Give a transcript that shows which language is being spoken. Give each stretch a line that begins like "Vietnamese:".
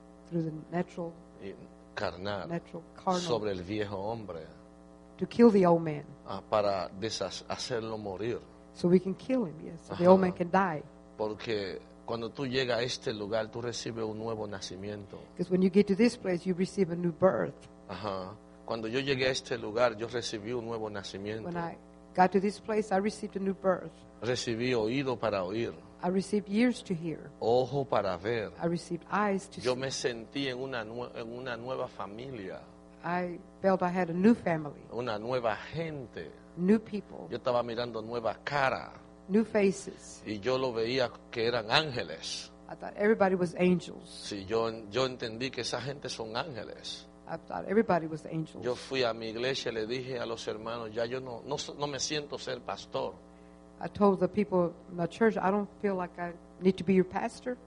English: Through the natural. Carnal. Natural carnal.
Spanish: Sobre el viejo hombre.
English: To kill the old man.
Spanish: Para hacerlo morir.
English: So we can kill him. Yes. So the old man can die.
Spanish: Porque cuando tú llegas a este lugar, tú recibes un nuevo nacimiento.
English: Because when you get to this place, you receive a new birth. Ajá.
Spanish: Cuando yo llegué a este lugar, yo recibí un nuevo nacimiento.
English: When I got to this place, I received a new birth.
Spanish: Recibí oído para oír.
English: I received ears to hear.
Spanish: Ojo para ver.
English: I received eyes to
Spanish: yo
English: see.
Spanish: Yo me sentí en una nueva familia.
English: I felt I had a new family.
Spanish: Una nueva gente.
English: New people.
Spanish: Yo estaba mirando nueva cara.
English: New faces.
Spanish: Y yo lo veía que eran ángeles.
English: I thought everybody was angels.
Spanish: Sí, yo entendí que esa gente son ángeles.
English: I thought everybody was angels.
Spanish: Yo fui a mi iglesia y le dije a los hermanos, ya yo no me siento ser pastor.
English: I told the people in my church, I don't feel like I need to be your pastor.